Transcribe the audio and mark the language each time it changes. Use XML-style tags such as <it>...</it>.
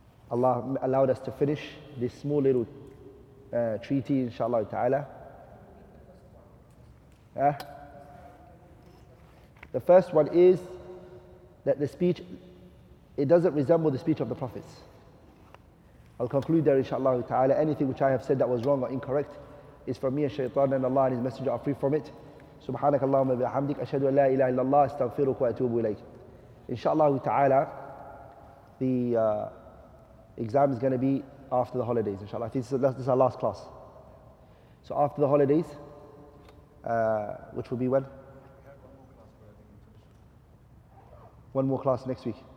<en>Allah allowed us to finish this small little treaty, inshallah ta'ala. The first one is that the speech, it doesn't resemble the speech of the prophets. I'll conclude there, inshallah ta'ala. Anything which I have said that was wrong or incorrect is from me and shaitan, and Allah and His Messenger are free from it.</en> <ar>سبحانك اللهم وبحمدك أشهد أن لا إله إلا الله استغفرك وأتوب إليك.</ar> <en>Inshallah ta'ala, the exam is going to be after the holidays, inshallah. I think this is our last class. So after the holidays, which will be when? One more class next week.</en>